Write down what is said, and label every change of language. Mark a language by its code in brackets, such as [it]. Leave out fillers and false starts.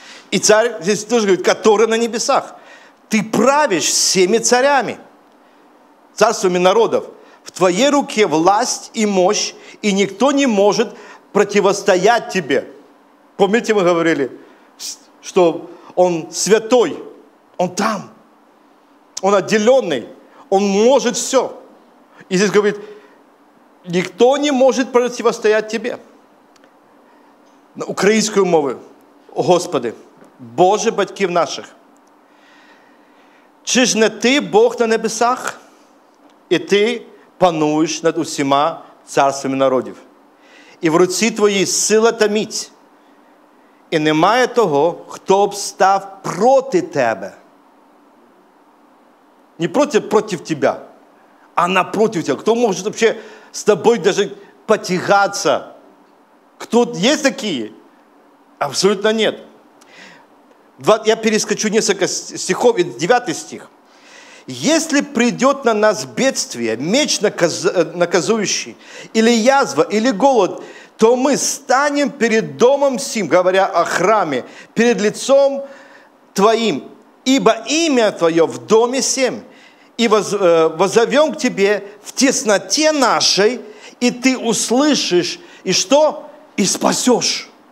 [ru] И царь здесь тоже говорит: «Который на небесах, ты правишь всеми царями, царствами народов, в твоей руке власть и мощь, и никто не может противостоять тебе». Помните, мы говорили, что он святой, он там, он отделенный, он может все. И здесь говорит: «Никто не может противостоять тебе». На украинскую [uk] мову: «Господи, Боже батьків наших, чи ж не ти Бог на небесах, і ти пануєш над усіма царствами народів, і в руці твоїй сила та міць, і немає того, хто б став проти тебе». Не проти, проти тебя, а напроти тебя. Хто може взагалі з тобою даже потягатися? Хто є такі? Абсолютно ні. [ru] Я перескочу несколько стихов, 9 стих. «Если придет на нас бедствие, меч наказующий, или язва, или голод, то мы станем перед домом сим», говоря о храме, «перед лицом твоим, ибо имя твое в доме сим, и воззовем к тебе в тесноте нашей, и ты услышишь, и что? И спасешь».